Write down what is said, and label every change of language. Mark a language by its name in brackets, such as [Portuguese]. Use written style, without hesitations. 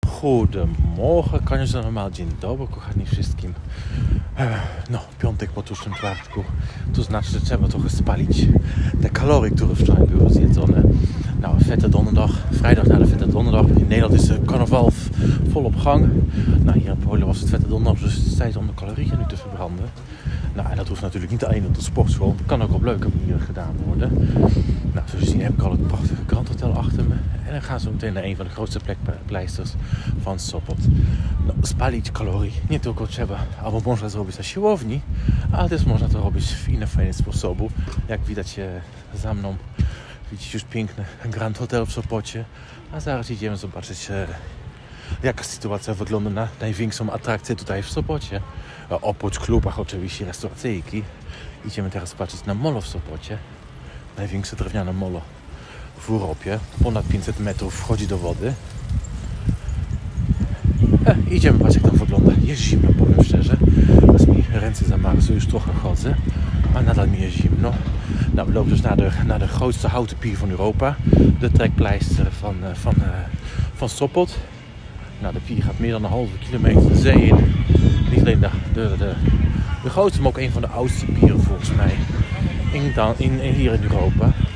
[English] Good morning, [Polish] koniecznie normal, dzień dobry kochani wszystkim. No, piątek po tłuszczym czwartku. To znaczy, że trzeba trochę spalić te kalory, które wczoraj były zjedzone. [Dutch] Na fete donderdag, vrijdag na de fete donderdag. In Nederland is de carnaval volop gang. Nou, hier in Polen was het fete donderdag, dus het is tijd om de calorieën nu te verbranden. Nou, en dat hoeft natuurlijk niet alleen op de sportschool, dat kan ook op leuke manieren gedaan worden. Nou, zoals je ziet heb ik al het prachtige Grand Hotel achter me. En dan gaan we zo meteen naar een van de grootste pleisters van Sopot. [Polish] Nou, spalić calorie. Niet tylko trzeba, albo można zrobić na siłowni, ale też można to robić w inny fajny sposób. Jak widać za mną. Widzicie już piękny Grand Hotel w Sopocie, a zaraz idziemy zobaczyć, jaka sytuacja wygląda na największą atrakcję tutaj w Sopocie. Oprócz klubach oczywiście restauracyjki, idziemy teraz patrzeć na molo w Sopocie. Największe drewniane molo w Europie, ponad 500 metrów wchodzi do wody. Idziemy patrzeć, jak tam wygląda. Jest zimno, powiem szczerze. Teraz mi ręce zamarzły, już trochę chodzę. A nadal mi jest zimno. [Dutch] Nou, we lopen dus naar de grootste houten pier van Europa. De trekpleister van Sopot. Nou, de pier gaat meer dan een halve kilometer de zee in. Niet alleen de grootste, maar ook een van de oudste pieren volgens mij. Hier in Europa.